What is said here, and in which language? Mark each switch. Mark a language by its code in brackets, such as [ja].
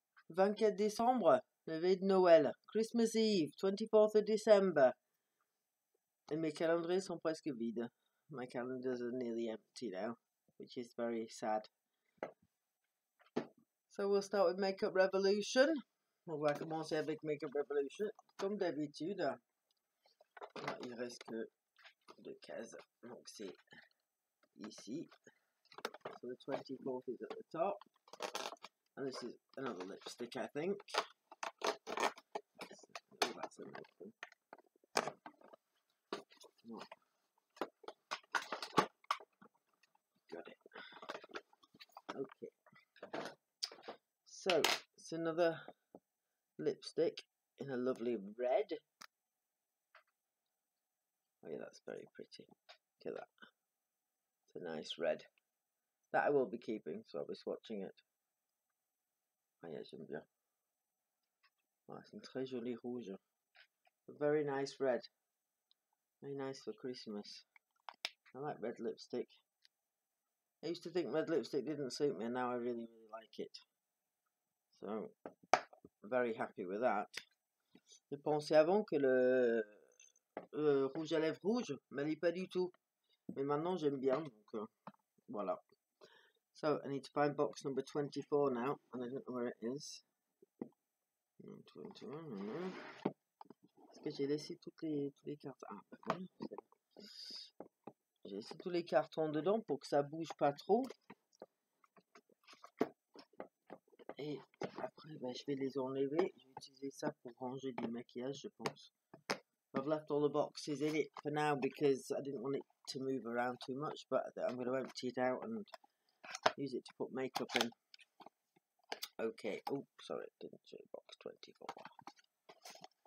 [fr] 24 décembre, la veille de Noël, [en] Christmas Eve, 24th of December. [fr] Et mes calendriers sont presque vides. [en] My calendars are nearly empty now, which is very sad. So we'll start with Makeup Revolution. [fr] On va commencer avec Makeup Revolution, comme d'habitude. Il reste que deux cases, donc c'est ici. [en] So the 24th is at the top, and this is another lipstick, I think. Oh, that's a nice one. Oh. Got it. Okay. So, it's another lipstick in a lovely red. Oh yeah, that's very pretty. Look at that. It's a nice red. That I will be keeping, so I'll be swatching it. Oh yeah, [fr] j'aime bien. Oh, c'est un très joli rouge. [en] A very nice red. Very nice for Christmas. I like red lipstick. I used to think red lipstick didn't suit me, and now I really, really like it. So, very happy with that. [fr] Je pensais avant que le rouge à lèvres rouge, m'allait pas du tout. Mais maintenant, j'aime bien, donc voilà. [en] So, I need to find box number 24 now, and I don't know where it is. 21, I don't know. [fr] Est-ce que j'ai laissé toutes les cartes? Ah, pardon. J'ai laissé tous les cartons dedans pour que ça bouge pas trop. Et après, ben, je vais les enlever. Je vais utiliser ça pour ranger du maquillage, je pense. [en] I've left all the boxes in it for now because I didn't want it to move around too much, but I'm going to empty it out and use it to put makeup in. Okay, oh, sorry, didn't show box 24.